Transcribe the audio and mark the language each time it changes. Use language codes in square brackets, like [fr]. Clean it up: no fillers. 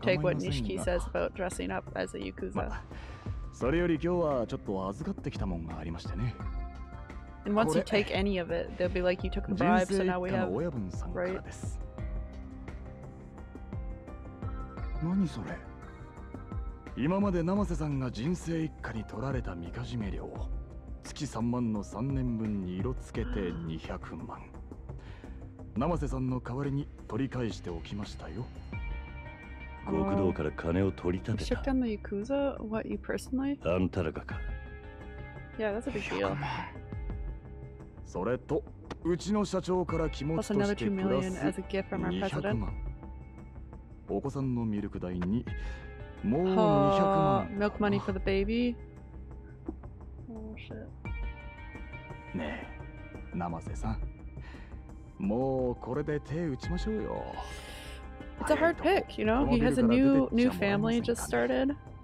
[ja] 構いませんが。 [en] If you take what Nishiki says about dressing up as a Yakuza. [ja] それより今日はちょっと預かってきたもんがありましてね。 [en] And once you take any of it, they'll be like you took a bribe, so now we have. [ja] 親分さんからです。何それ？今まで生瀬さんが人生一家に取られた三日締め料、月3万の3年分に色付けて200万。生瀬さんの代わりに取り返しておきましたよ。極道から金を取り立てた。 [en] The Yakuza? What, you personally? [ja] あんたらがか。 [en] Yeah, that's a big deal. [ja] それと、うちの社長から気持ちとしてプラス200万。お子さんのミルク代に、もう200万。 [en] Milk money for the baby? Oh shit. [ja] ねえ、生瀬さん、もうこれで手打ちましょうよ。 [en] It's a hard pick, you know? He has a new family just started.